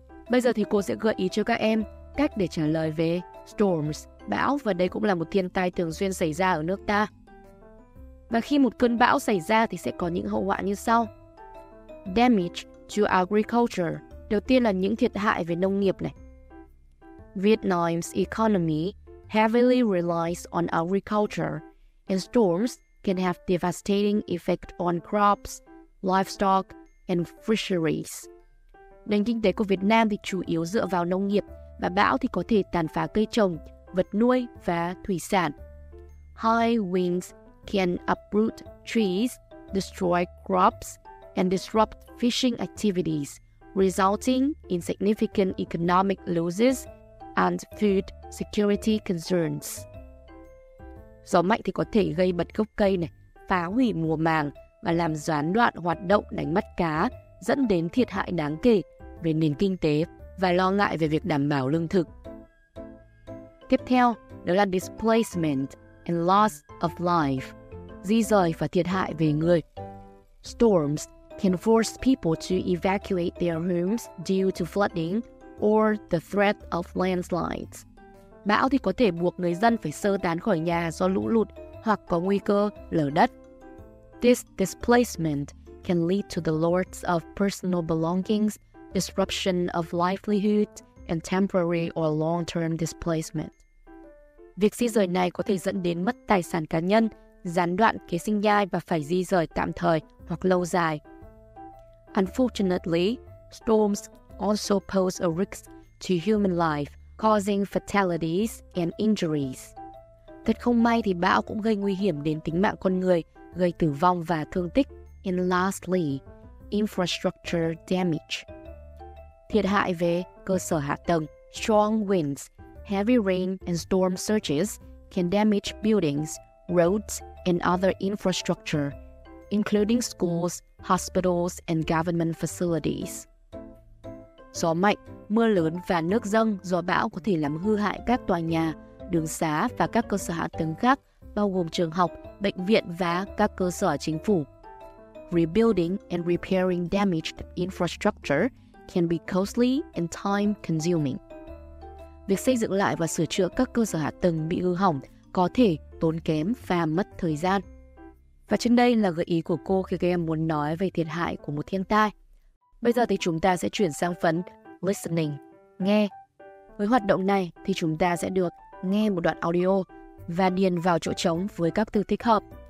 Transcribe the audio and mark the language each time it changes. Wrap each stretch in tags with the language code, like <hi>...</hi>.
<vi>Bây giờ thì cô sẽ gợi ý cho các em cách để trả lời về storms, bão, và đây cũng là một thiên tai thường xuyên xảy ra ở nước ta. Và khi một cơn bão xảy ra thì sẽ có những hậu họa như sau.</vi> <en>Damage to agriculture.</en> <vi>Đầu tiên là những thiệt hại về nông nghiệp này.</vi> <en>Vietnam's economy heavily relies on agriculture, and storms can have devastating effect on crops, livestock, and fisheries.</en> <vi>Nền kinh tế của Việt Nam thì chủ yếu dựa vào nông nghiệp, và bão thì có thể tàn phá cây trồng, vật nuôi và thủy sản.</vi> <en>High winds can uproot trees, destroy crops, and disrupt fishing activities, resulting in significant economic losses and food security concerns.</en> <vi>Gió mạnh thì có thể gây bật gốc cây này, phá hủy mùa màng và làm gián đoạn hoạt động đánh bắt cá, dẫn đến thiệt hại đáng kể về nền kinh tế và lo ngại về việc đảm bảo lương thực. Tiếp theo, đó là</vi> <en>displacement and loss of life.</en> <vi>Di rời và thiệt hại về người.</vi> <en>Storms can force people to evacuate their homes due to flooding or the threat of landslides.</en> <vi>Bão thì có thể buộc người dân phải sơ tán khỏi nhà do lũ lụt hoặc có nguy cơ lở đất.</vi> <en>This displacement can lead to the loss of personal belongings, disruption of livelihood, and temporary or long-term displacement.</en> <vi>Việc di rời này có thể dẫn đến mất tài sản cá nhân, gián đoạn kế sinh nhai và phải di rời tạm thời hoặc lâu dài.</vi> <en>Unfortunately, storms also pose a risk to human life, causing fatalities and injuries.</en> <vi>Thật không may thì bão cũng gây nguy hiểm đến tính mạng con người, gây tử vong và thương tích.</vi> <en>And lastly, infrastructure damage.</en> <vi>Thiệt hại về cơ sở hạ tầng.</vi> <en>Strong winds, heavy rain and storm surges can damage buildings, roads and other infrastructure, including schools, hospitals, and government facilities.</en> <vi>Gió mạnh, mưa lớn và nước dâng do bão có thể làm hư hại các tòa nhà, đường xá và các cơ sở hạ tầng khác, bao gồm trường học, bệnh viện và các cơ sở chính phủ.</vi> <en>Rebuilding and repairing damaged infrastructure can be costly and time-consuming.</en> <vi>Việc xây dựng lại và sửa chữa các cơ sở hạ tầng bị hư hỏng có thể tốn kém và mất thời gian. Và trên đây là gợi ý của cô khi các em muốn nói về thiệt hại của một thiên tai. Bây giờ thì chúng ta sẽ chuyển sang phần listening, nghe. Với hoạt động này thì chúng ta sẽ được nghe một đoạn audio và điền vào chỗ trống với các từ thích hợp.</vi>